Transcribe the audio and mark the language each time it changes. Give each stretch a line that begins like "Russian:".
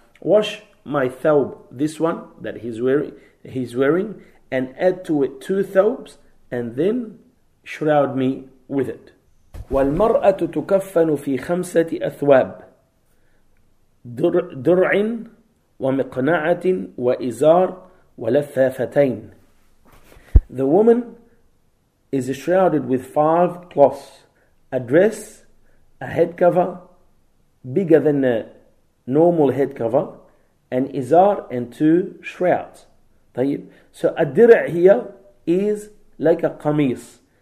English: Wash my thawb, this one that he's wearing, and add to it two thawbs, and then shroud me with it.
Arabic: والمرأة تكفن في خمسة أثواب درع ومقنعة وإزار ولفافتين.
English: The woman is shrouded with five cloths, a dress, a head cover bigger than a normal head cover, an izar, and two shrouds. So a dirع here is like a qamis.